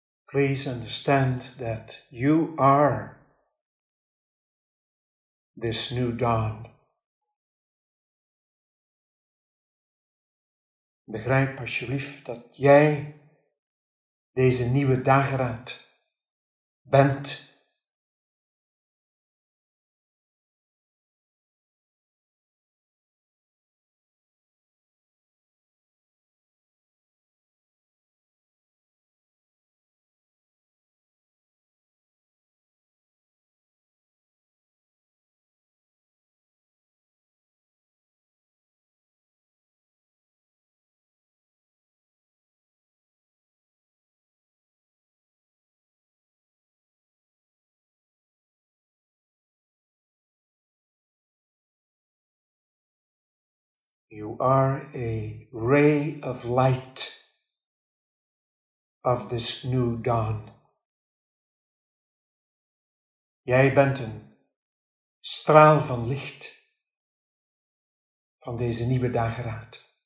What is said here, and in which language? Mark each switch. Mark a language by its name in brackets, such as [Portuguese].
[English] Please understand that you are this new dawn. [Dutch] Begrijp alsjeblieft dat jij deze nieuwe dageraad bent. [English] You are a ray of light of this new dawn. [Dutch] Jij bent een straal van licht van deze nieuwe dageraad.